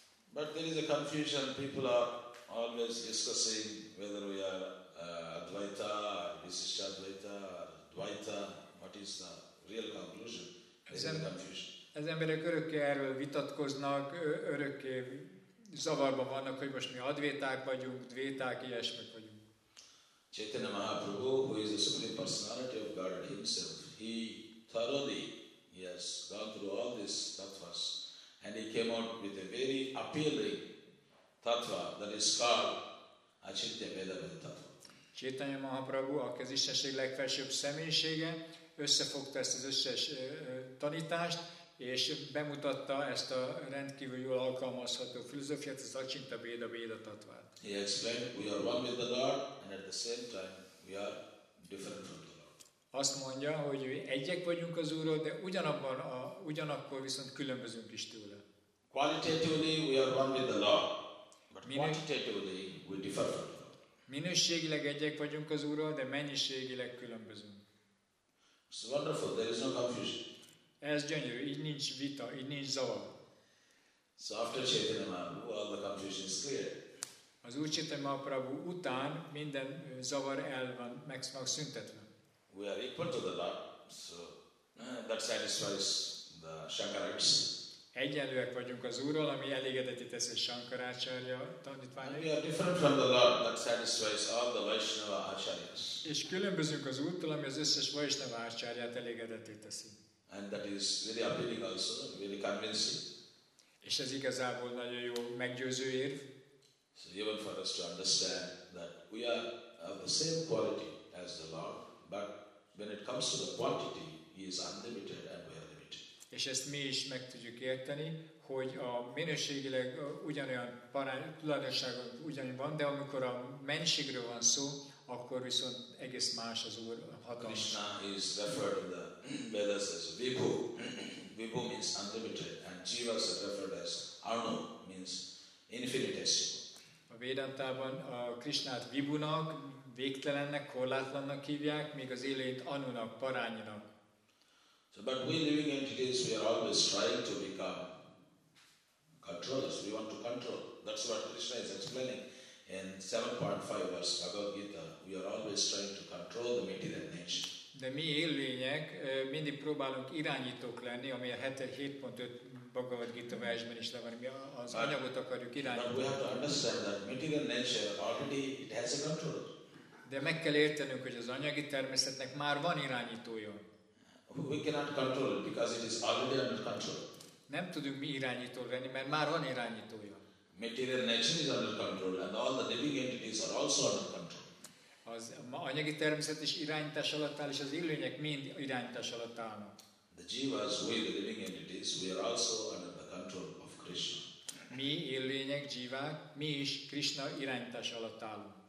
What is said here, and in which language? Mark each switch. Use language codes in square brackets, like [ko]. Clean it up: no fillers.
[en] But there is a confusion. People are always discussing whether we are Advaita, Viśiṣṭa Advaita, Dvaita. What is the real conclusion? [hu] Ez emberek örökké erről vitatkoznak, örökké zavarban vannak, hogy most mi Advaiták vagyunk, Dvaiták, ilyesmik vagyunk. [en] Chaitanya Mahaprabhu, who is the Supreme Personality of God himself, he thoroughly has gone through all these tattvas and he came out with a very appealing tattva that is called Achintya Veda Veda Tattva. [hu] Chaitanya Mahaprabhu, aki az Istenség legfelsőbb személyisége, összefogta ezt az összes tanítást és bemutatta ezt a rendkívül jól alkalmazható filozófiát, az Achintya Veda Veda Tattvát. [en] He explained, we are one with the Lord, and at the same time, we are different from the Lord. [hu] Azt mondja, hogy egyek vagyunk az Úrral, de ugyanakkor viszont különbözünk is tőle. [en] Qualitatively, we are one with the Lord, but quantitatively, we differ from the Lord. [hu] Minőségileg egyek vagyunk az Úrral, de mennyiségileg különbözünk. [en] It's wonderful, there is no confusion. [hu] Ez gyönyörű, így nincs vita, így nincs zavar. [en] So after Chaitanya Mahaprabhu, all the confusion is clear. [hu] Az Úr Chaitanya Mahaprabhu után minden zavar el van meg szüntetve. [en] We are equal to the Lord, so that satisfies the Shankarites. [hu] Egyenlőek vagyunk az Úrral, ami elégedeti tesz a Shankaracharya tanítványait. [en] We are different from the Lord, that satisfies all the Vaishnava acharyas. [hu] És különbözünk az Úrtól, ami az összes Vaishnava acharyát elégedeti teszi. [en] And that is very appealing also, very convincing. [hu] És ez igazából nagyon jó meggyőző érv. [en] So even for us to understand that we are of the same quality as the Lord, but when it comes to the quantity, He is unlimited and we are limited. [hu] És ezt mi is meg tudjuk érteni, hogy a minőségileg ugyanolyan tulajdonságon ugyanúgy van, de amikor a mennyiségről van szó, akkor viszont egész más az Úr hatalmas. [en] Krishna is referred in the Vedas as Vibhu. Vibhu means unlimited, and Jiva is referred as Arno, means infinitesimal. [hu] A Vedantában a Krishnát Vibhunak, végtelennek, korlátlannak hívják, míg az élőit Anunak, Parányinak. [en] So, but we living entities, we are always trying to become controllers. We want to control. That's what Krishna is explaining in 7.5 verse Bhagavad Gita. We are always trying to control the material nature. [hu] De mi élőlények mindig próbálunk irányítók lenni, ami a 7.5 Bhagavad Gita versben is le van, mi az anyagot akarjuk irányítani. [en] But we have to understand that material nature already it has a control. [hu] De meg kell értenünk, hogy az anyagi természetnek már van irányítója. [en] We cannot control it because it is already under control. [hu] Nem tudunk mi irányító lenni, mert már van irányítója. [en] Material nature is under control, and all the living entities are also under control. [hu] Az anyagi természet is irányítás alatt áll, és az élőlények mind irányítás alatt állnak. [en] The jivas, we the living entities, we are also under the control of Krishna. [hu] Mi élőlények, jivák, mi is Krishna irányítás alatt állunk.